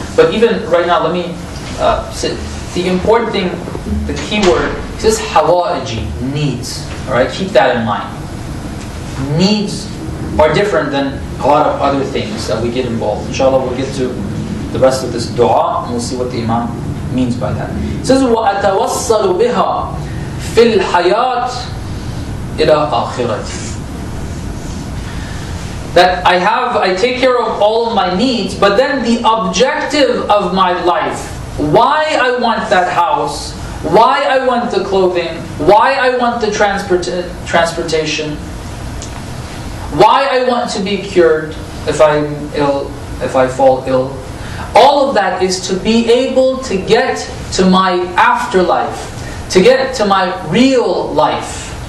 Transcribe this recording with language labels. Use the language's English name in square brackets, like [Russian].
[English] But even right now, let me say the important thing, the key word, he says hawa'iji, needs. Alright? Keep that in mind. Needs are different than a lot of other things that we get involved. Inshallah, we'll get to the rest of this dua and we'll see what the Imam means by that. It says, [Arabic] وَأَتَوَصَّلُ بِهَا فِي الْحَيَاةِ إِلَىٰ آخِرَةِ. [English] That I take care of all my needs, but then the objective of my life, why I want that house, why I want the clothing, why I want the transportation, why I want to be cured if I'm ill, if I fall ill, all of that is to be able to get to my afterlife, to get to my real life.